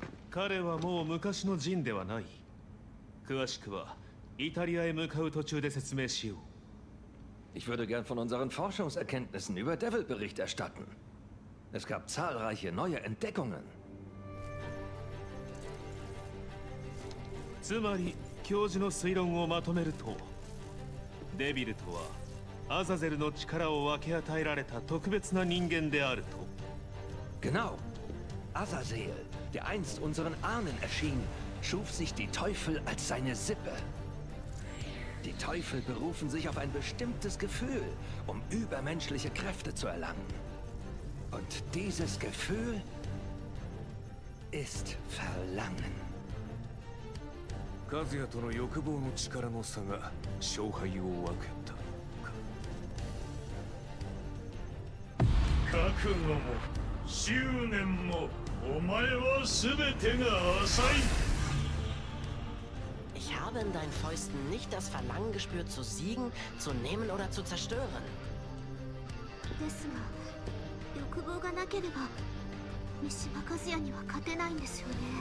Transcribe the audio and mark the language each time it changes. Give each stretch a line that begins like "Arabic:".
Japanese: 彼はもう昔のジンではない。詳しくはイタリアへ向かう途中で説明しよう。
German: Ich würde gern von unseren Forschungserkenntnissen über Devil Bericht erstatten. Es gab zahlreiche neue Entdeckungen.
Japanese: つまり教授の推論をまとめると、デビルとはアザゼルの力を分け与えられた特別な人間であると。
German: Genau, Azazel. Der einst unseren Ahnen erschien, schuf sich die Teufel als seine Sippe. Die Teufel berufen sich auf ein bestimmtes Gefühl, um übermenschliche Kräfte zu erlangen. Und dieses Gefühl ist Verlangen.
Japanese: Kazuya との欲望の力の差が勝敗を分けたのか。覚悟も執念もお前は全てが浅い。
German: Ich habe in deinen Fäusten nicht das Verlangen gespürt, zu siegen, zu nehmen oder zu zerstören.
Japanese: ですが、欲望がなければ、三島和也には勝てないんですよね。